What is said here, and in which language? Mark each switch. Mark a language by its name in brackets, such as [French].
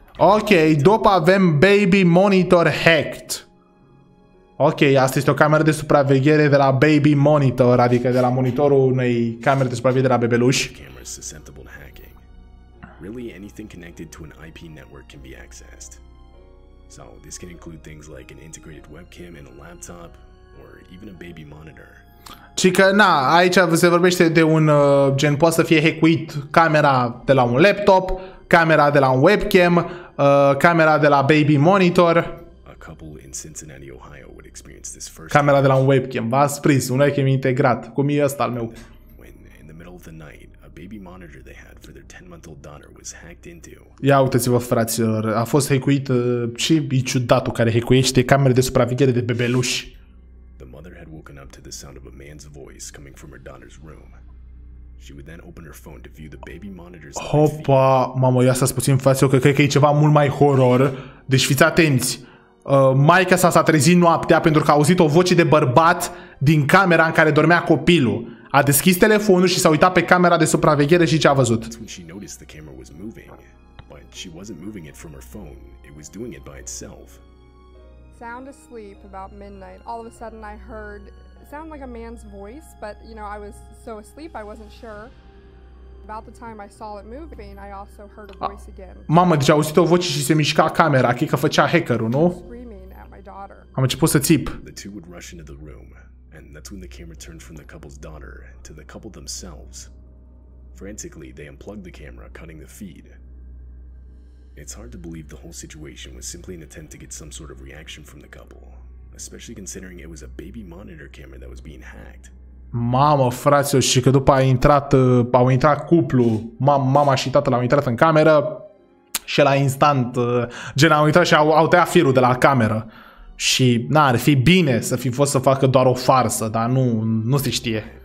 [Romanian] Ok, după avem Baby Monitor Hacked. Ok, asta este o cameră de supraveghere de la Baby Monitor, adică de la monitorul unei camere de supraveghere de la bebeluși. [English] Cameras susceptible to hacking. Really anything connected to an IP network can be accessed. So, this can include things like an integrated webcam in a laptop or even a baby monitor. [Romanian] Ci că, na, aici se vorbește de un gen, poate să fie hackuit camera de la un laptop, camera de la un webcam, camera de la baby monitor. [English] A couple in Cincinnati, Ohio would experience this first. [Romanian] Camera de la un webcam, v-ați prins, un webcam integrat, cum e ăsta al meu. [English] In the middle of the night, a baby monitor they had for their 10-month-old daughter was hacked into. [Romanian] Ia uitați-vă, fraților, a fost hackuit, ce e ciudatul care hackuiește camere de supraveghere de bebeluși. [English] To the sound of a man's voice coming from her daughter's room. She would then open her phone to view the baby monitor's. [Romanian] Hopa, mamă, ia să-ți puțin față, că cred că e ceva mult mai horror. Deci fiți atenți. Maica s-a trezit noaptea pentru că a auzit o voce de bărbat din camera în care dormea copilul. A deschis telefonul și s-a uitat pe camera de supraveghere și ce a văzut? [English] She noticed the camera was moving, but she wasn't moving it from her phone. It was doing it by itself. Sound asleep about midnight. All of a sudden I heard sound like a man's voice, but you know, I was so asleep I wasn't sure. About the time I saw it moving, I also heard a voice again. [Romanian] Mamă, deja auzit o voce și se mișca camera. Cred că făcea hackerul, nu? [English] Screaming at my daughter. [Romanian] Am început să țip. [English] The two would rush into the room, and that's when the camera turned from the couple's daughter to the couple themselves. Frantically, they unplugged the camera, cutting the feed. It's hard to believe the whole situation was simply an attempt to get some sort of reaction from the couple, especially considering it was a baby monitor camera that was being hacked. [Romanian] Mamă, frate, și că după au intrat cuplul, mama și tatăl au intrat în cameră și la instant, gen, au intrat și au tăiat firul de la cameră. Și na, ar fi bine să fi fost să facă doar o farsă, dar nu se știe.